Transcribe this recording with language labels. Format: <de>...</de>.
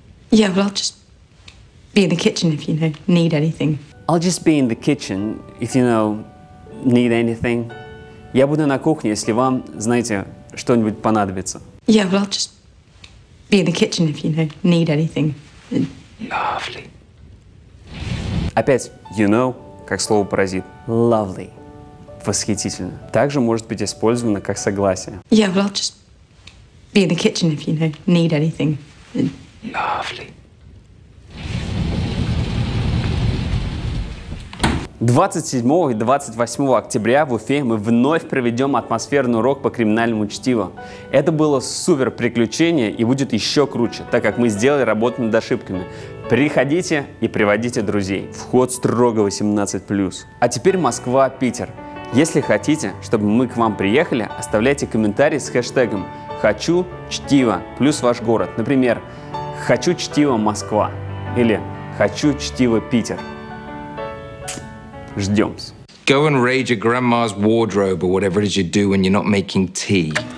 <en>Yeah, well, I'll just be in the kitchen if you know, need anything. I'll just be in the kitchen if you know, need anything.</en> <ru>Я буду на кухне, если вам, знаете, что-нибудь понадобится.</ru> <en>Yeah, well, I'll just be in the kitchen if you know, need anything. Lovely.</en> <ru>Опять,</ru> <en>you know,</en> <ru>как слово-паразит. Lovely. Восхитительно. Также может быть использовано как согласие.</ru> <en>Yeah, well, I'll just be in the kitchen if you know, need anything. Lovely.</en> <ru>27 и 28 октября в Уфе мы вновь проведем атмосферный урок по криминальному чтиву. Это было супер приключение и будет еще круче, так как мы сделали работу над ошибками. Приходите и приводите друзей. Вход строго 18+. А теперь Москва, Питер. Если хотите, чтобы мы к вам приехали, оставляйте комментарий с хэштегом «Хочу чтиво» плюс ваш город. Например, «Хочу чтиво Москва» или «Хочу чтиво Питер». Ждемся.</ru> <en>Go and raid your grandma's wardrobe or whatever it is you do when you're not making tea.</en>